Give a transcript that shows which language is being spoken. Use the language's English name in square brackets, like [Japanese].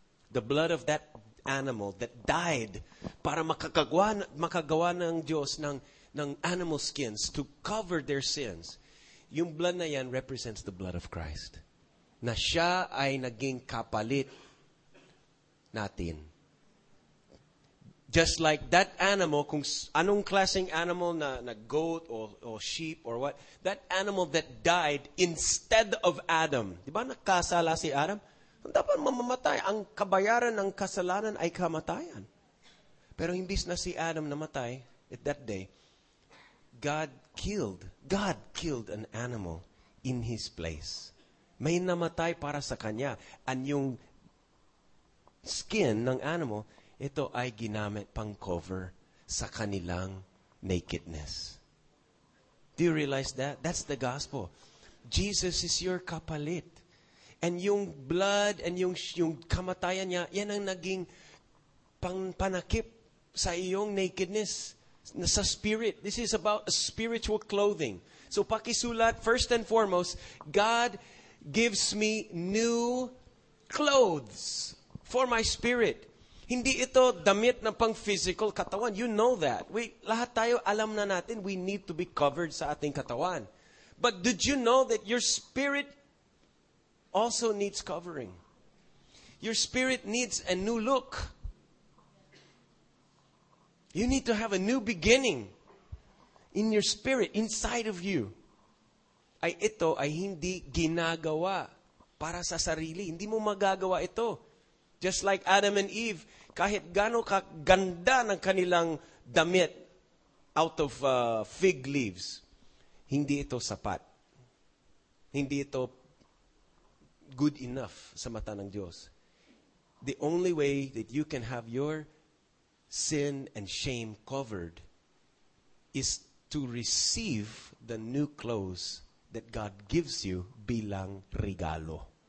[English] The blood of that animal that died [Filipino] para makagawa ng Diyos ng [English] animal skins to cover their sins. yung blood na yan represents the blood of Christ. [Filipino] Na siya ay naging kapalit natin. [English] Just like that animal, kung anong klaseng animal na goat or sheep or what, that animal that died instead of Adam. [Filipino] Di ba nakasala si Adam? Dapat mamamatay. Ang kabayaran ng kasalanan ay kamatayan. Pero imbis na si Adam namatay [English] at that day, God killed an animal in his place. [Filipino] May namatay para sa kanya. And yung skin ng animal, ito ay ginamit pang cover sa kanilang nakedness. [English] Do you realize that? That's the gospel. Jesus is your kapalit. [Filipino] And yung blood and yung kamatayan niya, yan ang naging panakip sa iyong nakedness. Sa spirit. [English] This is about spiritual clothing. So pakisulat, first and foremost, God gives me new clothes for my spirit. [Filipino] Hindi ito damit na pang physical katawan. [English] You know that. [Filipino] Lahat tayo alam na natin, [English] we need to be covered [Filipino] sa ating katawan. [English] But did you know that your spirit also needs covering? Your spirit needs a new look. You need to have a new beginning in your spirit, inside of you. [Filipino] Ay ito ay hindi ginagawa para sa sarili. Hindi mo magagawa ito. [English] Just like Adam and Eve, [Filipino] kahit gaano kaganda ng kanilang damit out of fig leaves, hindi ito sapat. Hindi ito good enough sa mata ng Diyos. [English] The only way that you can have your sin and shame covered is to receive the new clothes that God gives you bilang regalo.